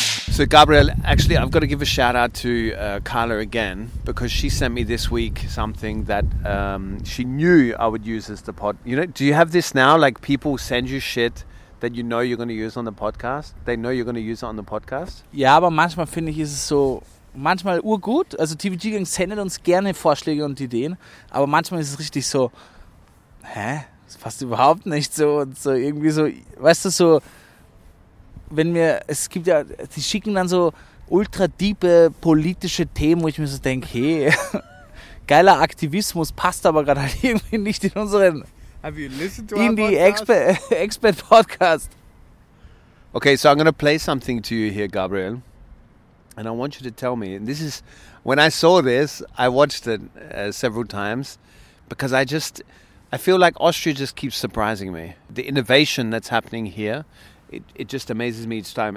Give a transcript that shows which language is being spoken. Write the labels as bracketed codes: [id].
[en] So So Gabriel, actually, I've got to give a shout out to Carla again, because she sent me this week something that she knew I would use as the pod. You know, do you have this now? Like, people send you shit that you know you're going to use on the podcast. They know you're going to use it on the podcast. [de] Ja, aber manchmal finde ich, ist es so, manchmal urgut. Also TVG Gang sendet uns gerne Vorschläge und Ideen, aber manchmal ist es richtig so, hä? Das passt überhaupt nicht so und so irgendwie so, weißt du, so, wenn mir, es gibt ja, die schicken dann so ultra diepe politische Themen, wo ich mir so denke, hey, geiler Aktivismus, passt aber gerade halt irgendwie nicht in unseren, [en] have you listened to in our [de] die [en] podcast? Expert Podcast. Okay, so I'm going to play something to you here, Gabriel. And I want you to tell me, and this is, when I saw this, I watched it several times, because I feel like Austria just keeps surprising me. The innovation that's happening here, it just amazes me each time.